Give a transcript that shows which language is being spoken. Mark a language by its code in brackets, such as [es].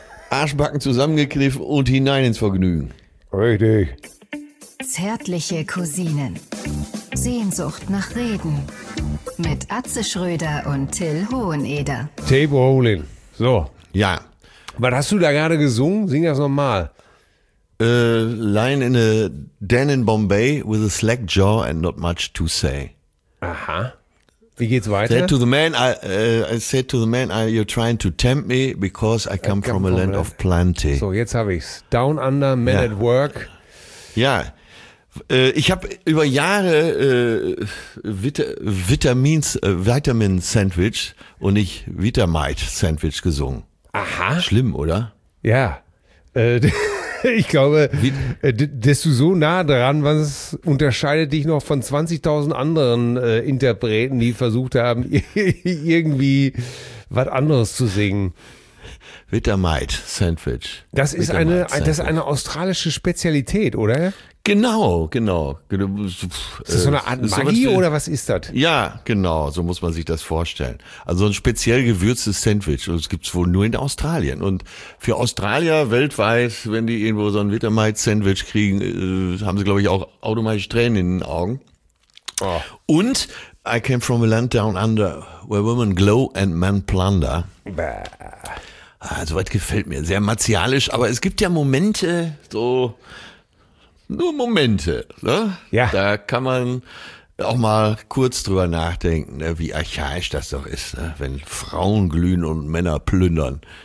[de] Arschbacken zusammengekniffen und hinein ins Vergnügen. Richtig. Zärtliche Cousinen. Sehnsucht nach Reden. Mit Atze Schröder und Till Hoheneder. [en] Tape rolling. So. [de] Ja. Was hast du da gerade gesungen? Sing das nochmal. [en] Lying in a den in Bombay with a slack jaw and not much to say. [de] Aha. Wie geht's weiter? [en] I said to the man, you're trying to tempt me because I come from a land of plenty. [de] So, jetzt habe ich's. Down under, man at work. Ja. Ich habe über Jahre Vitamin Sandwich und nicht Vitamite Sandwich gesungen. Aha. Schlimm, oder? Ja. Ich glaube, dass du so nah dran warst, unterscheidet dich noch von 20.000 anderen Interpreten, die versucht haben, irgendwie was anderes zu singen. Vitamite Sandwich. Das ist eine australische Spezialität, oder? Genau. Ist das so eine Art Maggi oder was ist das? Ja, genau, so muss man sich das vorstellen. Also ein speziell gewürztes Sandwich und das gibt es wohl nur in Australien. Und für Australier weltweit, wenn die irgendwo so ein Vitamite-Sandwich kriegen, haben sie, glaube ich, auch automatisch Tränen in den Augen. Oh. [en] Und I came from a land down under where women glow and men plunder. [de] Soweit gefällt mir, sehr martialisch, aber es gibt ja Momente, so... Nur Momente, ne? Ja. Da kann man auch mal kurz drüber nachdenken, ne? Wie archaisch das doch ist, ne? Wenn Frauen glühen und Männer plündern.